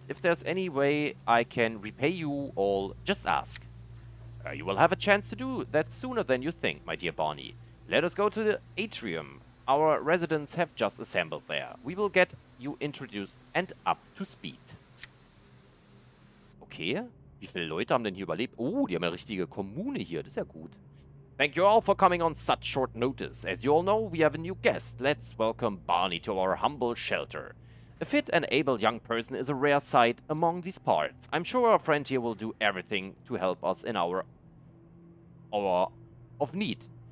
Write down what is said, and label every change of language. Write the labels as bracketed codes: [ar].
[en] If there's any way I can repay you all, just ask. You will have a chance to do that sooner than you think, my dear Barney. Let us go to the atrium. Our residents have just assembled there. We will get you introduced and up to speed. [de] Okay, wie viele Leute haben denn hier überlebt? Oh, die haben eine richtige Kommune hier, das ist ja gut. [en] Thank you all for coming on such short notice. As you all know, we have a new guest. Let's welcome Barney to our humble shelter. A fit and able young person is a rare sight among these parts. I'm sure our friend here will do everything to help us in our hour of need.